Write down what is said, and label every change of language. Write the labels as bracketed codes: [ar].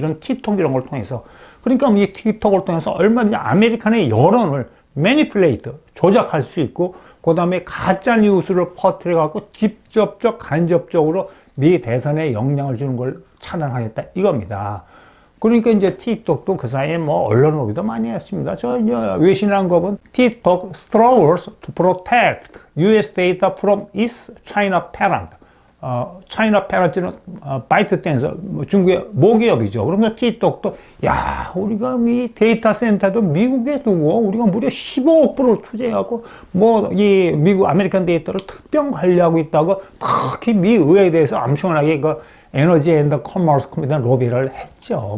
[ko] 이런 틱톡 이런 걸 통해서. 그러니까 이 틱톡을 통해서 얼마든지 아메리칸의 여론을 매니플레이트 조작할 수 있고 그 다음에 가짜 뉴스를 퍼뜨려 갖고 직접적 간접적으로 미 대선에 영향을 주는 걸 차단하겠다 이겁니다. 그러니까 이제 틱톡도 그 사이에 뭐 언론 로비도 많이 했습니다. 저 이제 외신한 거는 틱톡 [en] struggles to protect US data from its China parent. [ko] 차이나 페라티는 바이트댄스, 뭐 중국의 모기업이죠. 그러면 틱톡도, 야, 우리가 이 데이터 센터도 미국에 두고, 우리가 무려 15억불을 투자하고, 뭐, 이 미국, 아메리칸 데이터를 특별 관리하고 있다고, 특히 미 의회에 대해서 엄청나게 그, 에너지 앤더 커머스 커뮤니티 로비를 했죠.